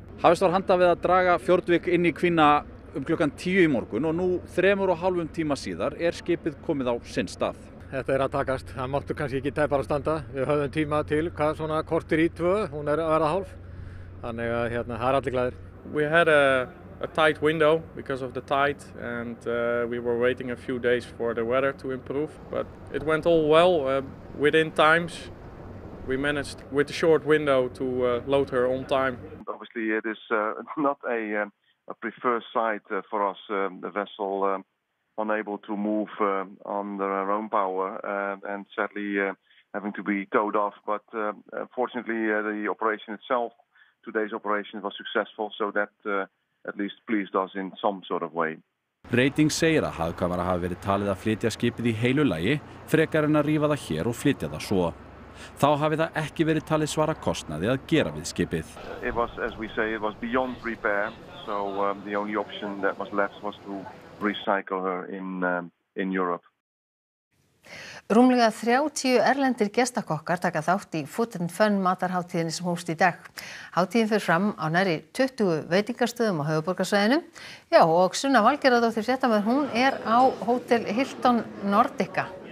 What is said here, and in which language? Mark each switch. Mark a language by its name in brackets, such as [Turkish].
[Icelandic] Hafist var handa við að draga Fjörðvík inn í kvína klukkan 10 í morgun og nú 3.5 tíma síðar er skipið komið á sinn stað. Þetta er að takast, það máttu kannski ekki tæpar að standa. Við höfum tíma til, hvað svona kortir í 2, hún er að vera hálf. Þannig að hérna, það er allir glæðir. [English] We had a tight window because of the tide and we were waiting a few days for the weather to improve. But it went all well within times. We managed with a short window to load her on time. Obviously it is not a preferred site for us, the vessel unable to move under our own power and sadly having to be towed off. But fortunately the operation itself, today's operation was successful, so that at least pleased us in some sort of way. [Icelandic] Reiting segir að hagkvæmara hafi verið talið að flytja skipið í heilu lagi, frekar en að rífa það hér og flytja það svo. Þá hafi það ekki verið talið svara kostnaði að gera við skipið. [English] It was, as we say, it was beyond repair, so the only option that was left was to recycle her in Europe. [Icelandic] Rúmlega 30 erlendir gestakokkar taka þátt í Food and Fun matarhátíðinni sem hófst í dag. Hátíðin fer fram á nærri 20 veitingastöðum á höfuðborgarsvæðinu. Já, og Sunna Valgerðardóttir fréttamaður, hún er á Hótel Hilton Nordica.